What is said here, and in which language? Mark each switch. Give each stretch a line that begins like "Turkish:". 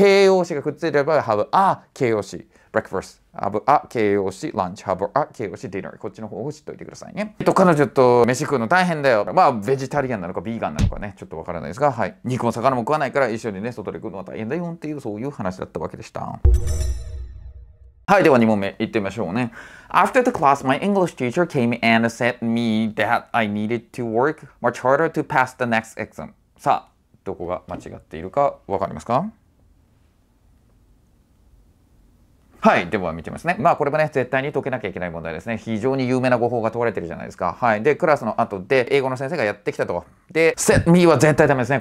Japanese: 形容詞がくっついてれば、have a 形容詞、breakfast、have a 形容詞、lunch、have a 形容詞、dinner、こっちの方を知っておいてくださいね。彼女と飯食うの大変だよ。まあ、ベジタリアンなのか、ビーガンなのかね、ちょっとわからないですが、はい。肉も魚も食わないから、一緒にね、外で食うのは大変だよっていう、そういう話だったわけでした。はい、では2問目、行ってみましょうね。
English: After the class, my English teacher came and said me that I needed to work much harder to pass the next exam.
Japanese: さあ、どこが間違っているかわかりますか？はい、では見てますね。まあこれもね、絶対に解けなきゃいけない問題ですね。非常に有名な語法が問われてるじゃないですか。はい、でクラスの後で英語の先生がやってきたと。で、
English: set me
Japanese: は絶対ダメですね。